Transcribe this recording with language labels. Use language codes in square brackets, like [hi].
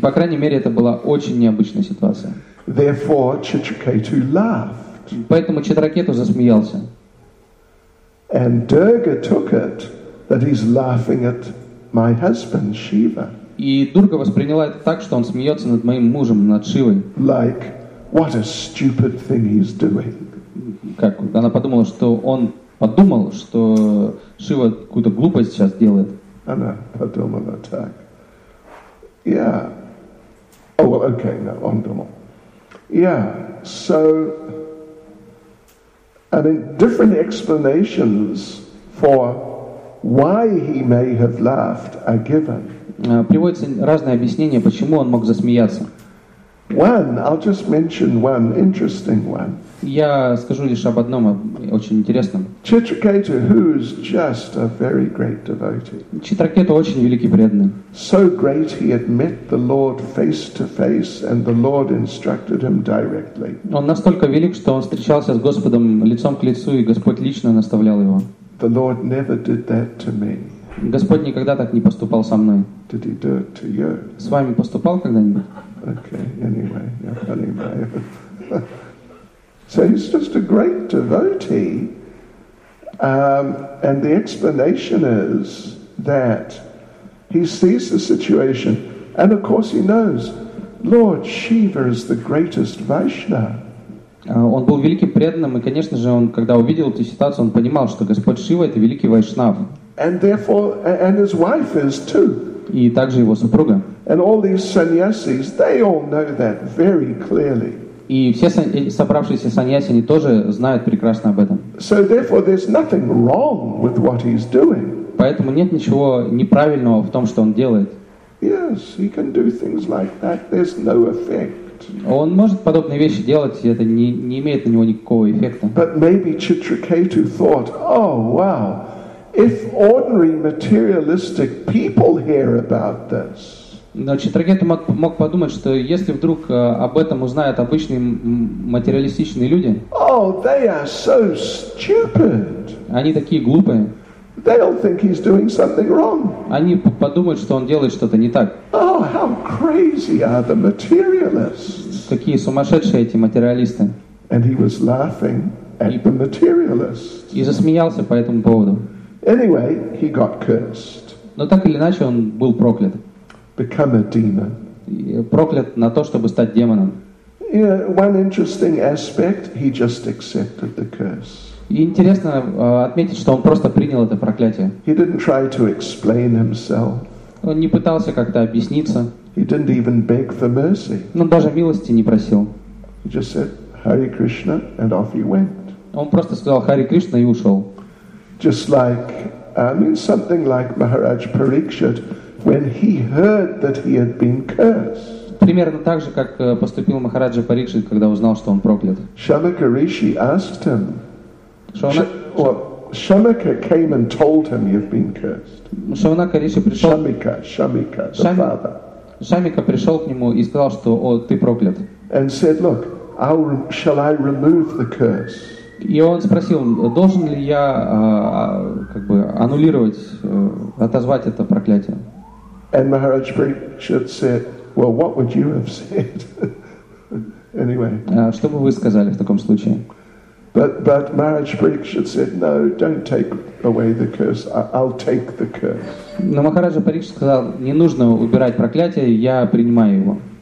[ru] По крайней мере, это была очень необычная ситуация. [en] Therefore, Chitraketu laughed. [ru] Поэтому Читракету засмеялся. [en] And Durga took it that he's laughing at my husband Shiva. [ru] И Дурга восприняла это так, что он смеется над моим мужем, над Шивой. [en] Like, what a stupid thing he's doing. [ru] Как она подумала, что он подумал, что Шива какую-то глупость сейчас делает. Она подумала так. [en] Yeah. Oh, well, okay, no, [ru] он думал. [en] Yeah, so, I mean, different explanations for why he may have laughed are given. [ru] Приводятся разные объяснения, почему он мог засмеяться. [en] One, I'll just mention one interesting one. [ru] Я скажу лишь об одном очень интересном. [en] Читракету, who is just a very great devotee. [ru] Читракету очень великий преданный. [en] So great he had met the Lord face to face and the Lord instructed him directly. [ru] Он настолько велик, что он встречался с Господом лицом к лицу и Господь лично наставлял его. [en] The Lord never did that to me. [ru] Господь никогда так не поступал со мной. [en] Did he do it to you? [ru] С вами поступал когда-нибудь? [en] Okay, anyway, yeah, funny way. So he's just a great devotee, and the explanation is that he sees the situation, and of course he knows Lord Shiva is the greatest Vaishnava. [ru] Он был великим преданным, и, конечно же, он, когда увидел эту ситуацию, он понимал, что Господь Шива — это великий вайшнав. [en] And therefore, and his wife is too. [ru] И также его супруга. [en] And all these sannyasis, they all know that very clearly. [ru] И все собравшиеся саньяси, они тоже знают прекрасно об этом. [en] So therefore, there's nothing wrong with what he's doing. [ru] Поэтому нет ничего неправильного в том, что он делает. [en] Yes, he can do things like that. There's no effect. [ru] Он может подобные вещи делать, и это не имеет на него никакого эффекта. [en] But maybe Chitraketu thought, oh wow, if ordinary materialistic people hear about this. [ru] Но Читракету мог подумать, что если вдруг об этом узнают обычные материалистичные люди, [en] oh, they are so stupid. [ru] Они такие глупые. [en] They'll think he's doing something wrong. [ru] Они подумают, что он делает что-то не так. [en] Oh, how crazy are the materialists! [ru] Какие сумасшедшие эти материалисты! [en] And he was laughing at the materialists. [ru] И засмеялся по этому поводу. [en] Anyway, he got cursed. [ru] Но так или иначе он был проклят. [en] Become a demon. [ru] Проклят на то, чтобы стать демоном. [en] Yeah, one interesting aspect: he just accepted the curse. [ru] И интересно отметить, что он просто принял это проклятие. [en] He didn't try to explain himself. [ru] Он не пытался как-то объясниться. [en] He didn't even beg for mercy. [ru] Он даже милости не просил. [en] He just said, Hare Krishna, and off he went. [ru] Он просто сказал Харе Кришна и ушел. [en] Just like, I mean, something like Maharaj Parikshit, when he heard that he had been cursed. [ru] Примерно так же, как поступил Махараджа Парикшит, когда узнал, что он проклят. [en] Shamaka Rishi asked him. Shamaka came and told him you've been cursed. [ru] Shamaka Rishi пришел. [en] Shamaka, the father. [ru] Shamaka пришел к нему и сказал, что о, ты проклят. [en] And said, look, shall I remove the curse? [ru] И он спросил, должен ли я как бы аннулировать, отозвать это проклятие? [en] And Maharaj Parikshit said, well, what would you have said? Anyway. [ru] Что бы вы сказали в таком случае? [en] But Maharaj Parikshit said, no, don't take away the curse. I'll take the curse. [ru] Но Махараджа Парикшит сказал, не нужно убирать проклятие, я принимаю его.